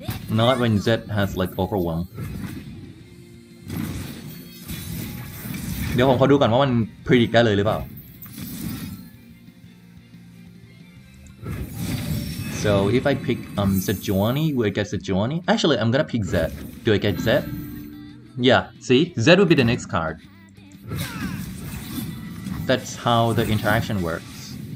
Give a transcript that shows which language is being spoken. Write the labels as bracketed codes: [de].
[en] Not when Zed has like overwhelm. [th] เดี๋ยวผมขอดูก่อนว่ามันพีดิกได้เลยหรือเปล่า [en] So if I pick Sejuani, will I get Sejuani? Actually, I'm gonna pick Zed. Do I get Zed? Yeah, see? Zed will be the next card. That's how the interaction works.